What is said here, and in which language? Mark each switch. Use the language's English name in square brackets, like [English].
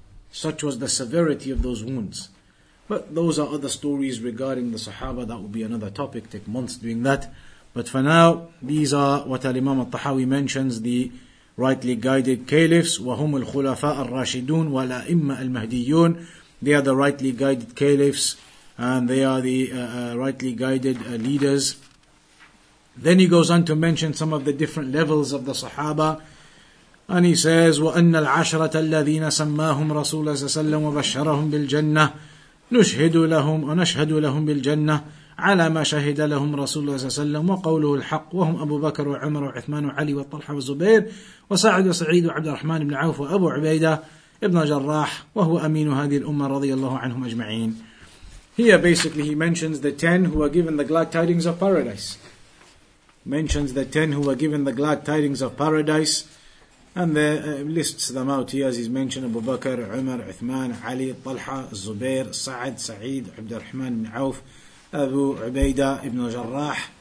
[English] Such was the severity of those wounds. But those are other stories regarding the Sahaba. That would be another topic. Take months doing that. But for now, these are what Al-Imam al-Tahawi mentions, the rightly guided caliphs, [Arabic] وَهُمُ الْخُلَفَاءَ الرَّاشِدُونَ وَلَا إِمَّا الْمَهْدِيُّونَ. [English] They are the rightly guided caliphs, and they are the rightly guided leaders. Then he goes on to mention some of the different levels of the Sahaba, and he says, [Arabic] وَأَنَّ الْعَشْرَةَ الَّذِينَ سَمَّاهُمْ رَسُولَ سَلَّمُ وَبَشَّرَهُمْ بِالْجَنَّةِ نُشْهِدُ لَهُمْ وَنَشْهَدُ لَهُمْ بِالْجَنَّةِ على ما شهد لهم رسول الله صلى الله عليه وسلم وقوله الحق وهم أبو بكر وعمر وعثمان وعلي وطلحة وزبير وسعد وسعيد وعبد الرحمن بن عوف وأبو عبيدة ابن جراح وهو أمين هذه الأمة رضي الله عنهم أجمعين. [English] Here basically he mentions the 10 who were given the glad tidings of paradise. Mentions the 10 who were given the glad tidings of paradise, and lists them out here as he's mentioned: Abu Bakr, Umar, Uthman, Ali, Talha, Zubayr, Sa'd, Sa'id, Abd al-Rahman ibn Auf, Abu Ubaydah ibn al-Jarrah.